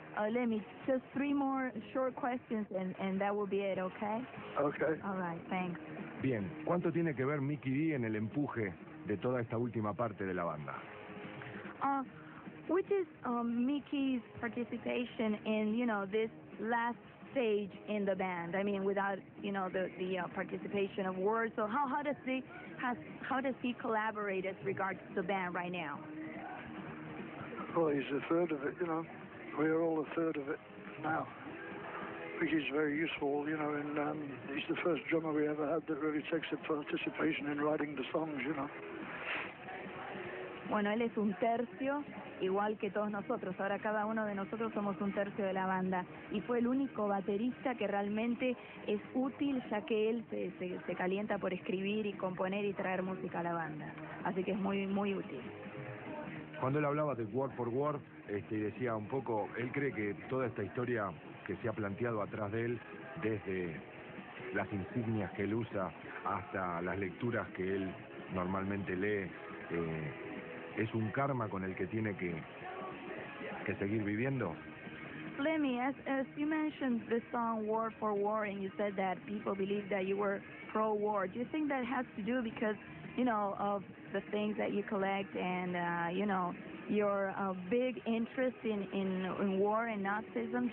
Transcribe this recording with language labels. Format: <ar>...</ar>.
<en>Lemmy, just three more short questions and that will be it, okay? Okay. All right, thanks.</en> <es>Bien, ¿cuánto tiene que ver Mickey D en el empuje de toda esta última parte de la banda?</es> <en>Which is Mickey's participation in, you know, this last stage in the band? I mean, without, you know, the participation of words. So how does he collaborate as regards to the band right now? Well, he's a third of it, you know. We're all a third of it now, which is very useful, you know, and he's the first drummer we ever had that really takes a participation in writing the songs, you know.</en> <es>Bueno, él es un tercio, igual que todos nosotros. Ahora cada uno de nosotros somos un tercio de la banda. Y fue el único baterista que realmente es útil, ya que él se calienta por escribir y componer y traer música a la banda. Así que es muy, muy útil. Cuando él hablaba de Word for Word, decía un poco, él cree que toda esta historia que se ha planteado atrás de él, desde las insignias que él usa hasta las lecturas que él normalmente lee, es un karma con el que tiene que seguir viviendo.</es> <en>Lemmy, as you mentioned the song War for War, and you said that people believe that you were pro-war, do you think that has to do because, you know, of the things that you collect and, you know, your big interest in war and Nazism?</en>